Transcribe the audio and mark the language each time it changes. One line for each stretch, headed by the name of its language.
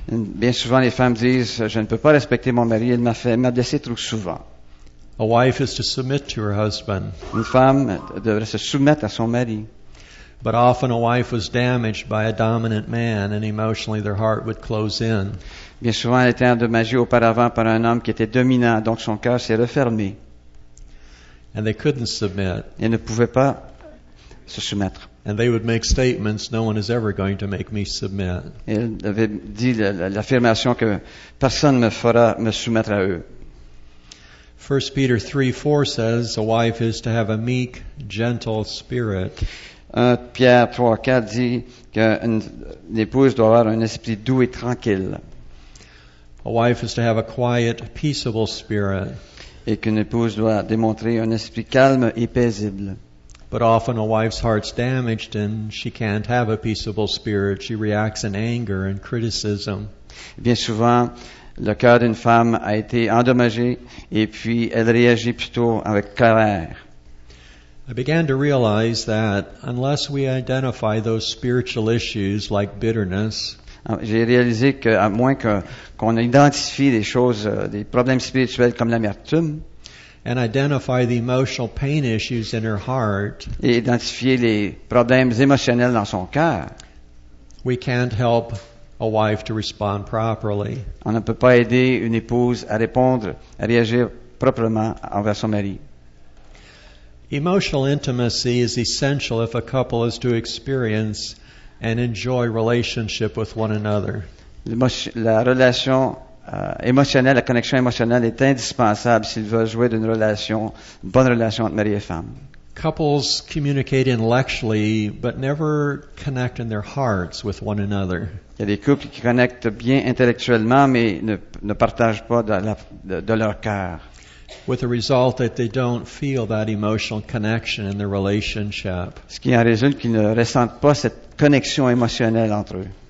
French: Bien souvent les femmes disent, je ne peux pas respecter mon mari, il m'a blessé trop souvent.
English: A wife is to submit to her husband.
French: Une femme devrait se soumettre à son mari.
English: But often a wife was damaged by a dominant man and emotionally their heart would close in.
French: Bien souvent elle était endommagée auparavant par un homme qui était dominant, donc son cœur s'est refermé.
English: And they couldn't submit.
French: Elle ne pouvait pas se soumettre.
English: And they would make statements, no one is ever going to make me submit.
French: Elle avait dit l'affirmation que personne ne me fera me soumettre à eux.
English: 1 Peter 3:4 says a wife is to have a meek, gentle spirit.
French: 1 Pierre 3:4 dit qu'une épouse doit avoir un esprit doux et tranquille.
English: A wife is to have a quiet, peaceable spirit.
French: Et qu'une épouse doit démontrer un esprit calme et paisible.
English: But often a wife's heart's damaged and she can't have a peaceable spirit. She reacts in anger and criticism.
French: Bien souvent, le cœur d'une femme a été endommagé et puis elle réagit plutôt avec colère.
English: I began to realize that unless we identify those spiritual issues like bitterness,
French: j'ai réalisé que à moins qu'on identifie des choses, des problèmes spirituels comme l'amertume,
English: and identify the emotional pain issues in her heart,
French: et identifier les problèmes émotionnels dans son cœur,
English: we can't help a wife to respond properly.
French: On ne peut pas aider une épouse à répondre, à réagir proprement envers son mari.
English: Emotional intimacy is essential if a couple is to experience and enjoy relationship with one another.
French: La relation émotionnelle, la connexion émotionnelle est indispensable s'il veut jouer d'une relation, une bonne relation entre mari et femme.
English: Couples communicate intellectually, but never connect in their hearts with one another.
French: Il y a des couples qui connectent bien intellectuellement, mais ne partagent pas de leur cœur.
English: With the result that they don't feel that emotional connection in their relationship.
French: Ce qui en résulte qu'ils ne ressentent pas cette connexion émotionnelle entre eux.